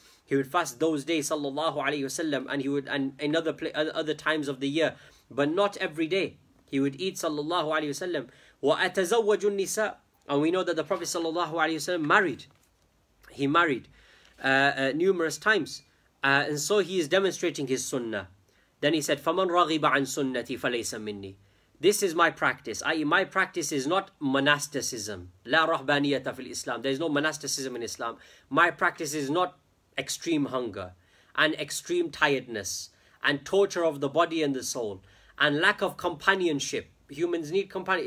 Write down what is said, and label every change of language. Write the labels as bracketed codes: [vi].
[en] He would fast those days sallallahu alaihi wasallam, and he would, and in other times of the year, but not every day. He would eat sallallahu alaihi wasallam. [ar] وَأَتَزَوَّجُ النِّسَاءِ. [en] And we know that the Prophet sallallahu alaihi wasallam married. He married numerous times. And so he is demonstrating his sunnah. Then he said, [ar] فَمَنْ رَغِبَ عَنْ سُنَّةِ فَلَيْسَ مِنِّي. [en] This is my practice. I.e. my practice is not monasticism. [ar] لَا رَحْبَانِيَةَ فِي الْإِسْلَامِ. [en] There is no monasticism in Islam. My practice is not extreme hunger and extreme tiredness and torture of the body and the soul and lack of companionship. Humans need companion.